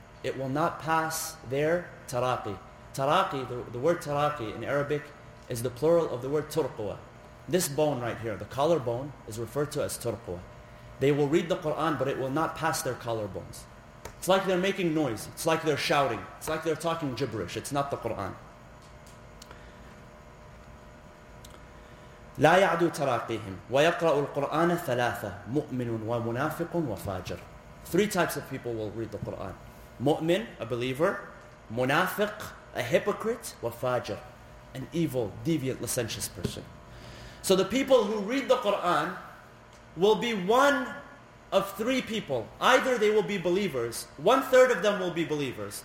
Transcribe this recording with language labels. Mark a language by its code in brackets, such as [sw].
[en] It will not pass their taraqi. Taraqi, the word taraqi in Arabic, is the plural of the word turquwa. This bone right here, the collarbone, is referred to as turquwa. They will read the Qur'an, but it will not pass their collarbones. It's like they're making noise. It's like they're shouting. It's like they're talking gibberish. It's not the Qur'an. [ar] لا يعدو تراقيهم ويقرأ القرآن ثلاثة مؤمن ومنافق وفاجر. [en] Three types of people will read the Quran: مؤمن, a believer; منافق, a hypocrite; وفاجر, an evil, deviant, licentious person. So the people who read the Quran will be one of three people. Either they will be believers. One third of them will be believers.